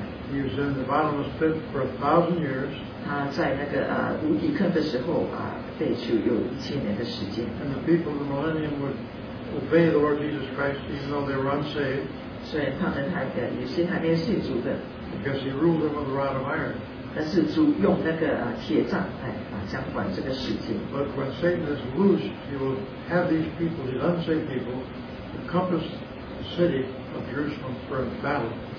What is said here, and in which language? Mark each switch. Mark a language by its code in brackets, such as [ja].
[en] He was in the bottomless pit for 1,000 years. And the people of the millennium would obey the Lord Jesus Christ even though they were unsaved. Because he ruled them with a rod of iron. [zh] 但是主用那个铁杖来掌管这个世界。 [en] But when Satan is loose, he will have these people, these unsaved people, encompass the city of Jerusalem for a battle.